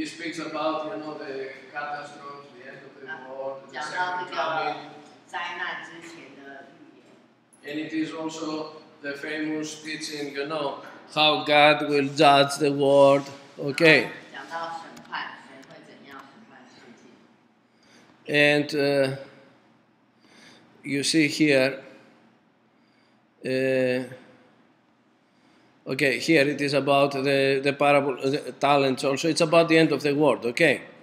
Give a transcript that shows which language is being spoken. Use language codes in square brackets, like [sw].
[en] He speaks about, you know, the catastrophe, the end of the world, the second coming. [zh] 灾难之前的预言。 [en] And it is also the famous teaching, you know, how God will judge the world. Okay. [zh] 讲到审判，神会怎样审判世界。 [en] And you see here, okay, here it is about the parable, the talents also. It's about the end of the world, okay?